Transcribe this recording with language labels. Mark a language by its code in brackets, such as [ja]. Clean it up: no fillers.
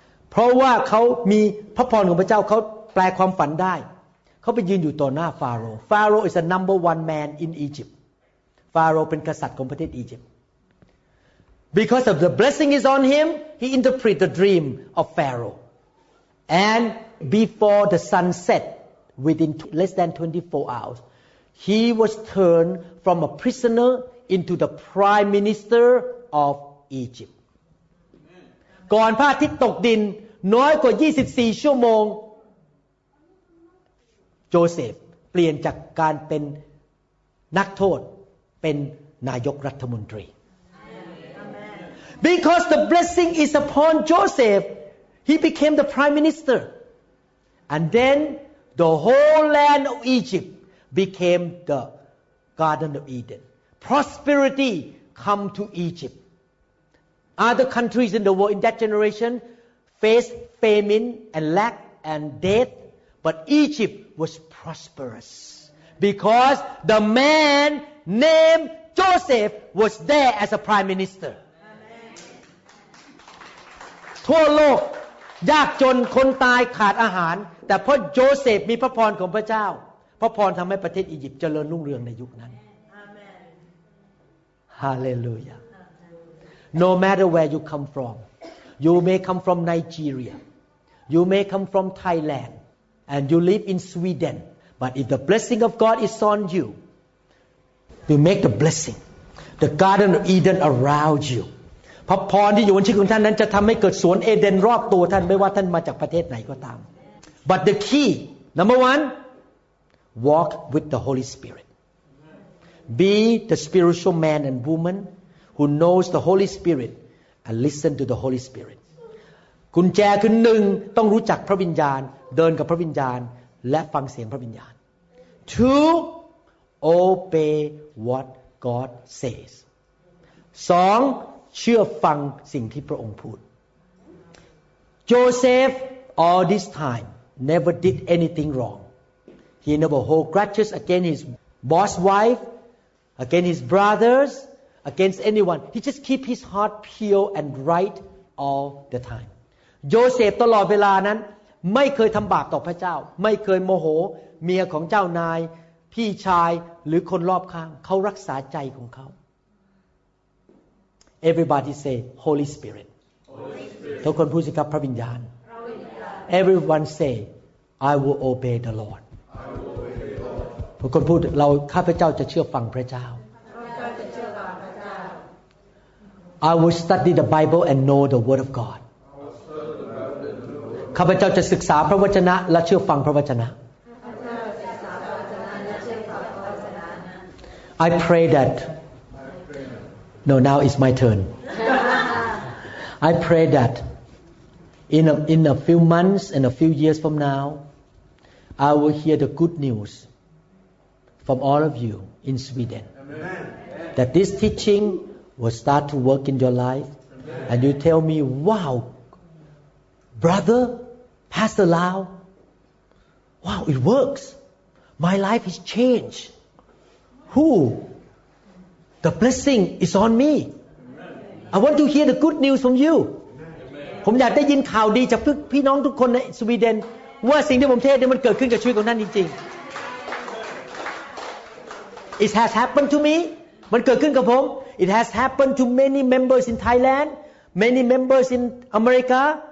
[th] เพราะว่าเขามีพระพรของพระเจ้าเขาแปลความฝันได้เขาไปยืนอยู่ต่อหน้าฟาโรห์ [en] Pharaoh is a number one man in Egypt. Pharaoh [th] เป็นกษัตริย์ของประเทศอียิปต์ [en] Because of the blessing is on him, he interpret the dream of Pharaoh. And before the sun set, within less than 24 hours, he was turned from a prisoner into the prime minister of Egypt. [th] ก่อนพระอาทิตย์ตกดินน้อยกว่า24ชั่วโมงโจเซฟเปลี่ยนจากการเป็นนักโทษเป็น นายกรัฐมนตรี [en] Because the blessing is upon Joseph he became the prime minister and then the whole land of Egypt became the garden of Eden prosperity come to Egypt other countries in the world in that generation faced famine and lack and death but Egypt was prosperousBecause the man named Joseph was there as a prime minister. [th] ทั่วโลกยากจนคนตายขาดอาหารแต่เพราะโยเซฟมีพระพรของพระเจ้าพระพรทำให้ประเทศอียิปต์เจริญรุ่งเรืองในยุคนั้นฮาเลลูยา [en] No matter where you come from, you may come from Nigeria, you may come from Thailand, and you live in Sweden. But if the blessing of God is on you, you make the blessing, the Garden of Eden around you. [th] พระพรที่อยู่บนชีวิตของท่านนั้นจะทำให้เกิดสวนเอเดนรอบตัวท่านไม่ว่าท่านมาจากประเทศไหนก็ตาม [en] But the key, number one, walk with the Holy Spirit. Be the spiritual man and woman who knows the Holy Spirit and listen to the Holy Spirit. [th] กุญแจคือหนึ่งต้องรู้จักพระวิญญาณเดินกับพระวิญญาณและฟังเสียงพระวิญญาณ [en] Two, obey what God says. [th] สองเชื่อฟังสิ่งที่พระองค์พูด [en] Joseph all this time never did anything wrong. He never hold grudges against his boss wife, against his brothers, against anyone. He just keep his heart pure and right all the time. [th] Joseph ตลอดเวลานั้นไม่เคยทำบาปต่อพระเจ้าไม่เคยโมโหเมียของเจ้านายพี่ชายหรือคนรอบข้างเขารักษาใจของเขา [en] Everybody say Holy Spirit [th] ทุกคนพูดสิครับพระวิญญาณ [en] Everyone say I will obey the Lord [th] ทุกคนพูดเราข้าพเจ้าจะเชื่อฟังพระเจ้า [en] I will study the Bible and know the word of God [th] ข้าพเจ้าจะศึกษาพระวจนะและเชื่อฟังพระวจนะ [en] I pray that no now is my turn I pray that in a few months and a few years from now I will hear the good news from all of you in Sweden Amen. that this teaching will start to work in your life Amen. and you tell me wow brotherPastor Lau, wow, it works. My life has changed. Who? The blessing is on me. Amen. I want to hear the good news from you. [th] ผมอยากได้ยินข่าวดีจากพี่น้องทุกคนในสวีเดนว่าสิ่งที่ผมเทศน์นี่มันเกิดขึ้นกับชีวิตของท่านจริงๆ [en] It has happened to me. [th] มันเกิดขึ้นกับผม [en] It has happened to many members in Thailand, many members in America.